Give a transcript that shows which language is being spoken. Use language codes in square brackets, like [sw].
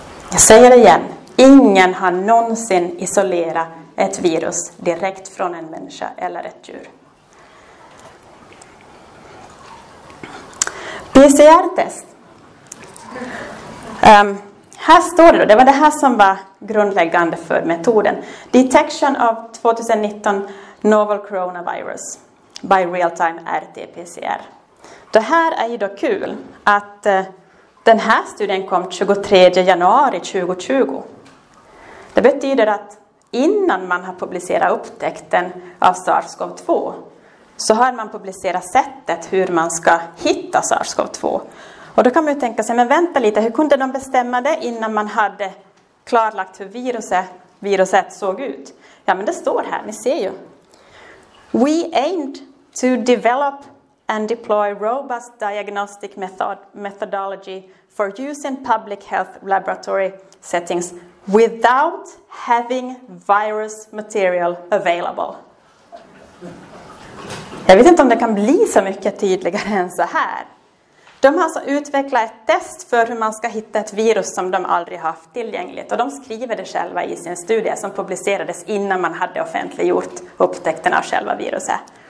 [sv] Jag säger det igen. Ingen har någonsin isolerat ett virus direkt från en människa eller ett djur. PCR test. Här står det då, det var det här som var grundläggande för metoden. [en] Detection of 2019 novel coronavirus by real-time RT-PCR. [sv] Det här är ju då kul att den här studien kom 23 januari 2020. Det betyder att innan man har publicerat upptäckten av SARS-CoV-2 så har man publicerat sättet hur man ska hitta SARS-CoV-2. Och då kan man ju tänka sig, men vänta lite, hur kunde de bestämma det innan man hade klarlagt hur viruset såg ut? Ja, men det står här, ni ser ju. [en] We aimed to develop and deploy robust diagnostic methodology for use in public health laboratory settings without having virus material available. [sv] Jag vet inte om det kan bli så mycket tydligare än så här. De har alltså utvecklat ett test för hur man ska hitta ett virus som de aldrig haft tillgängligt. Och de skriver det själva i sin studie som publicerades innan man hade offentliggjort upptäckten av själva viruset.